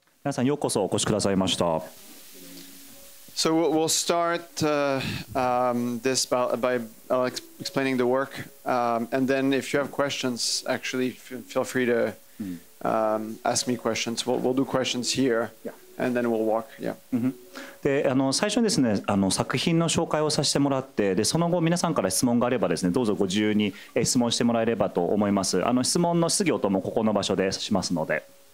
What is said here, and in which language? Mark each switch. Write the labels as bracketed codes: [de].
[ja] 皆さんようこそお越しくださいました。 [en] So we'll start this by explaining the work, and then if you have questions, actually feel free to ask me questions. We'll do questions here, and then we'll walk. Yeah. [ja] で、最初にですね、作品の紹介をさせてもらって、でその後皆さんから質問があればですね、どうぞご自由に質問してもらえればと思います。質問の質疑応答もここの場所でしますので。